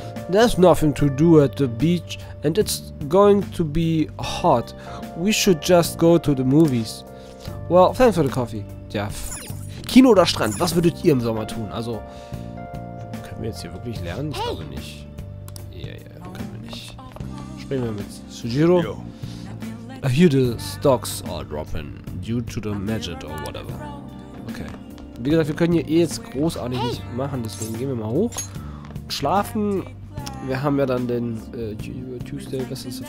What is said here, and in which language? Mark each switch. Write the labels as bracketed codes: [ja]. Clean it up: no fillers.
[en] There's nothing to do at the beach and it's going to be hot. We should just go to the movies. Well, thanks for the coffee. [de] Ja, Kino oder Strand, was würdet ihr im Sommer tun? Also, können wir jetzt hier wirklich lernen? Ich glaube nicht. Ja, können wir nicht. Sprechen wir mit Sujiro. [en] I hear the stocks are dropping due to the magic or whatever. Okay. [de] Wie gesagt, wir können hier eh jetzt großartig nicht machen, deswegen gehen wir mal hoch. Schlafen. Wir haben ja dann den Tuesday, was ist das?